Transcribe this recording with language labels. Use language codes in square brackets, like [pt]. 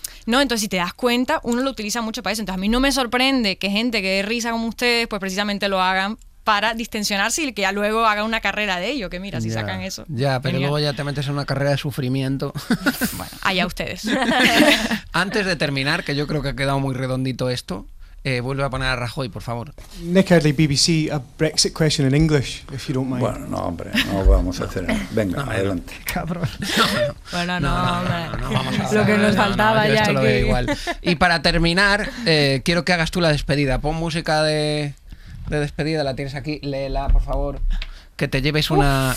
[es] No, entonces si te das cuenta, uno lo utiliza mucho para eso. Entonces a mí no me sorprende que gente que dé risa como ustedes, pues precisamente lo hagan para distensionarse y que ya luego haga una carrera de ello, que mira, si ya, sacan eso. Ya, pero genial. Luego ya te metes en una carrera de sufrimiento. Bueno, allá ustedes. Antes de terminar, que yo creo que ha quedado muy redondito esto, vuelve a poner a Rajoy, por favor. [en] Nick Hadley, BBC, a Brexit question in English, if you don't mind. [es] Bueno, no, hombre, no vamos a hacer. Venga, no, adelante. Cabrón. No, no. Bueno, no, hombre. Lo que nos faltaba ya. Esto aquí. Lo veo igual. Y para terminar, quiero que hagas tú la despedida. Pon música de despedida, la tienes aquí. Léela, por favor. Que te lleves una.